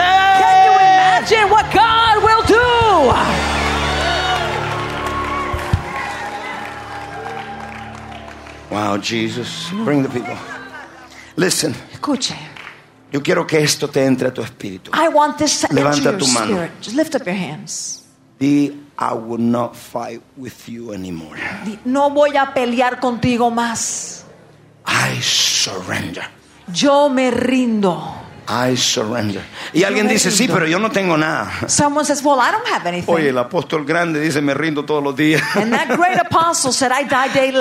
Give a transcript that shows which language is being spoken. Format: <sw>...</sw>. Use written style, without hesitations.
<en>Can you imagine what God will do? Wow, Jesus, bring the people. Listen.</en> <es>Escuche. Yo quiero que esto te entre a tu espíritu.</es> <en>I want this to</en> <es>levanta</es> <en>enter your</en> <es>tu mano.</es> <en>Spirit. Just lift up your hands. Di, I will not fight with you anymore.</en> <es>Di, no voy a pelear contigo más.</es> <en>I surrender.</en> <es>Yo me rindo.</es> <en>I surrender.</en> <es>Y alguien dice, sí, pero yo no tengo nada.</es> <en>Someone says, well, I don't have anything.</en> <es>Oye, el apóstol grande dice, me rindo todos los días.</es> <en>And that great apostle said, I die daily.</en>